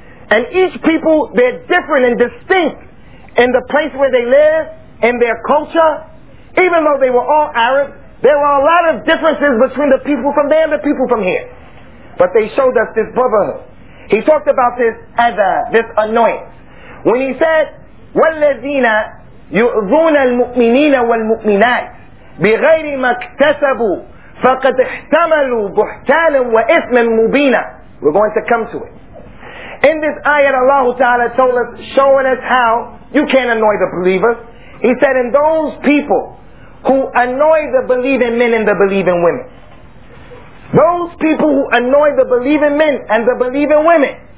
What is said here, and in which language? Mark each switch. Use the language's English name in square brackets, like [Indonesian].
[English] And each people, they're different and distinct in the place where they live, in their culture. Even though they were all Arabs, there were a lot of differences between the people from there and the people from here. But they showed us this brotherhood. He talked about this adha, this annoyance. When he said, [Arabic] وَالَّذِينَ يُؤْذُونَ الْمُؤْمِنِينَ وَالْمُؤْمِنَاتِ بِغَيْرِ مَا اكْتَسَبُوا فَقَدْ احْتَمَلُوا بُحْتَانًا وَإِثْمًا مُبِينًا. [English] We're going to come to it. In this ayat, Allah Ta'ala told us, showing us how you can't annoy the believers. He said, and those people who annoy the believing men and the believing women. Those people who annoy the believing men and the believing women.